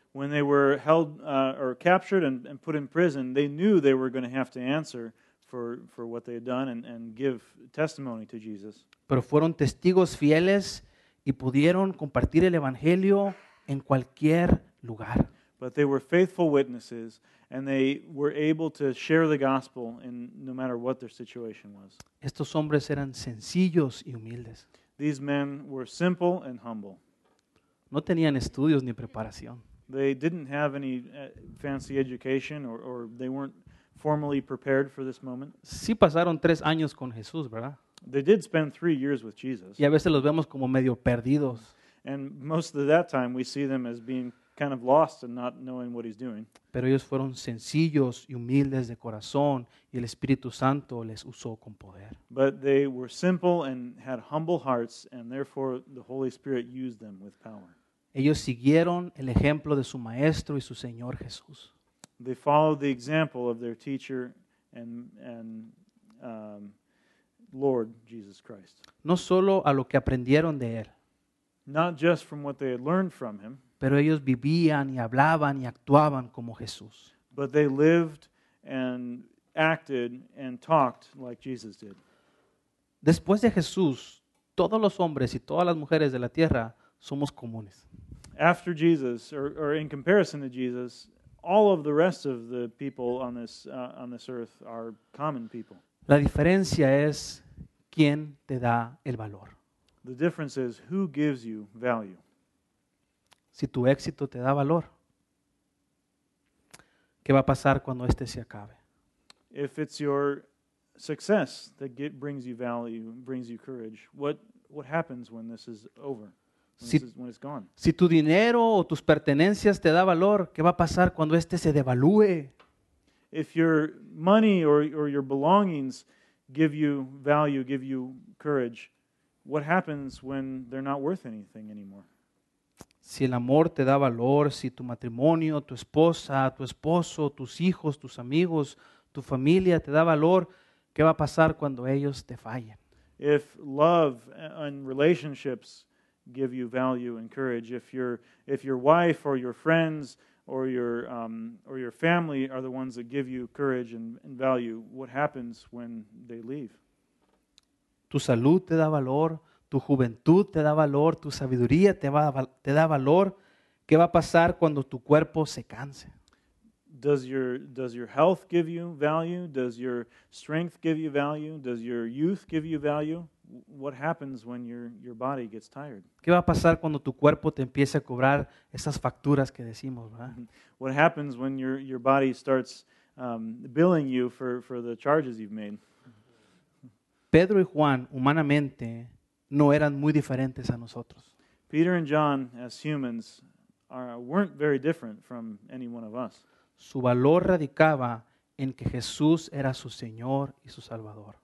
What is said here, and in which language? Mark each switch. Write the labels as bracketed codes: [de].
[en] When they were held or captured and put in prison, they knew they were going to have to answer for what they had done and give testimony to Jesus. [es] Pero fueron testigos fieles y pudieron compartir el evangelio en cualquier lugar. [en] But they were faithful witnesses and they were able to share the gospel in no matter what their situation was. [es] Estos hombres eran sencillos y humildes. [en] These men were simple and humble. [es] No tenían estudios ni preparación. [en] They didn't have any fancy education or they weren't formally prepared for this moment. [es] Sí pasaron 3 años con Jesús, ¿verdad? [en] They did spend 3 years with Jesus. [es] Y a veces los vemos como medio perdidos. [en] And most of that time we see them as being kind of lost and not knowing what he's doing. [es] Pero ellos fueron sencillos y humildes de corazón y el Espíritu Santo les usó con poder. [en] But they were simple and had humble hearts and therefore the Holy Spirit used them with power. [es] Ellos siguieron el ejemplo de su maestro y su Señor Jesús. [en] They followed the example of their teacher and Lord Jesus Christ. [es] No solo a lo que aprendieron de él. [en] Not just from what they had learned from him. [es] Pero ellos vivían y hablaban y actuaban como Jesús. [en] But they lived and acted and talked like Jesus did. [es] Después de Jesús, todos los hombres y todas las mujeres de la tierra somos comunes. [en] After Jesus, or in comparison to Jesus, all of the rest of the people on this earth are common people. [es] La diferencia es quién te da el valor. [en] The difference is who gives you value. [es] Si tu éxito te da valor, ¿qué va a pasar cuando este se acabe? [en] If it's your success that brings you value, brings you courage, what happens when this is over? When it's gone? [es] Si tu dinero o tus pertenencias te da valor, ¿qué va a pasar cuando este se devalúe? [en] If your money or your belongings give you value, give you courage, what happens when they're not worth anything anymore? [es] Si el amor te da valor, si tu matrimonio, tu esposa, tu esposo, tus hijos, tus amigos, tu familia te da valor, ¿qué va a pasar cuando ellos te fallen? [en] If love and relationships give you value and courage, if your wife or your friends or your family are the ones that give you courage and value, what happens when they leave? [es] Tu salud te da valor, tu juventud te da valor, tu sabiduría te da valor. ¿Qué va a pasar cuando tu cuerpo se canse? [en] Does your health give you value? Does your strength give you value? Does your youth give you value? What happens when your body gets tired? [es] ¿Qué va a pasar cuando tu cuerpo te empiece a cobrar esas facturas que decimos, ¿verdad? [en] What happens when your body starts billing you for the charges you've made? [es] Pedro y Juan, humanamente, no eran muy diferentes a nosotros. [en] Peter and John, as humans, weren't very different from any one of us. [es] Su valor radicaba en que Jesús era su Señor y su Salvador.